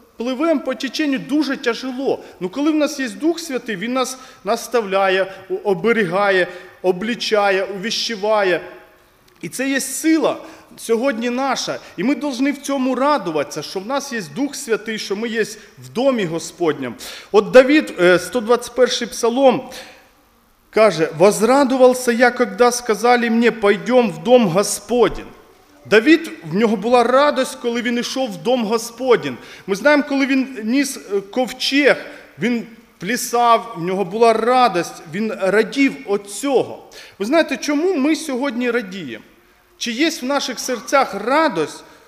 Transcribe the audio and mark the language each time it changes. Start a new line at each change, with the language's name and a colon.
Ukrainian: пливемо по теченню дуже тяжело. Ну, коли в нас є Дух Святий, він нас наставляє, оберігає, облічає, увіщеває. І це є сила сьогодні наша. І ми повинні в цьому радуватися, що в нас є Дух Святий, що ми є в Домі Господньому. От Давид, 121 псалом, каже,
Russian: «Возрадувався я, когда сказали мне, пойдем в Дом Господень».
Ukrainian: Давид, в нього була радость, коли він йшов в Дом Господень. Ми знаємо, коли він ніс ковчег, він плясав, в нього була радость, він радів від цього. Ви знаєте, чому ми сьогодні радіємо? Чи є в наших серцях радость?